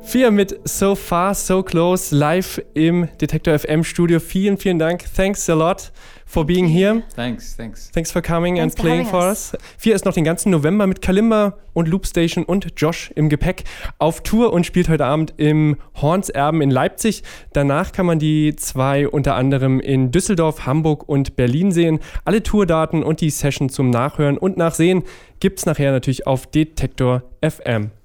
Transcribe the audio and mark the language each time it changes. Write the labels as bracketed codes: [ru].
[de] Mit So Far, So Close live im Detektor FM Studio. Vielen, vielen Dank. [en] Thanks a lot for being here. Thanks, thanks. Thanks for coming thanks and playing for us. [de] Fia ist noch den ganzen November mit Kalimba und Loopstation und Josh im Gepäck auf Tour und spielt heute Abend im Horns Erben in Leipzig. Danach kann man die zwei unter anderem in Düsseldorf, Hamburg und Berlin sehen. Alle Tourdaten und die Session zum Nachhören und Nachsehen gibt's nachher natürlich auf Detektor FM.